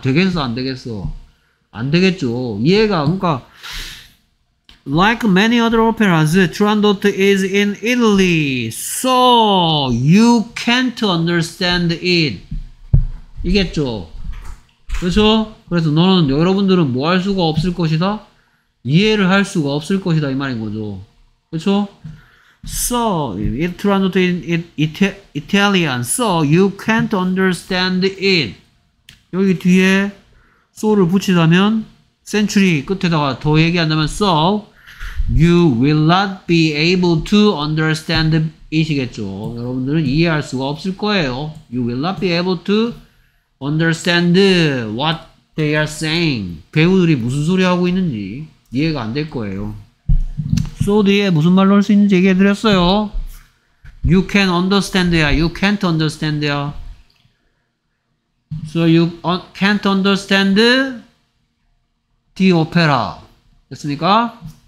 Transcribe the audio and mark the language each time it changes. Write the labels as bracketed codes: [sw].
[ko] 되겠어? 안 되겠어? 안 되겠죠. 이해가 그러니까 [en] Like many other operas, Turandot is in Italy, so you can't understand it. [ko] 이겠죠. 그렇죠? 그래서 너는 여러분들은 뭐 할 수가 없을 것이다? 이해를 할 수가 없을 것이다 이 말인 거죠. 그렇죠? [en] So, Turandot is in Italian, so you can't understand it. [ko] 여기 뒤에 so를 붙이자면 century 끝에다가 더 얘기한다면 [en] so you will not be able to understand it [ko] 이겠죠. 여러분들은 이해할 수가 없을 거예요. [en] You will not be able to understand what they are saying. [ko] 배우들이 무슨 소리 하고 있는지 이해가 안 될 거예요. So 뒤에 무슨 말로 할 수 있는지 얘기해드렸어요. [en] You can understand ya. You can't understand ya. So you can't understand the opera. [ko] 됐습니까?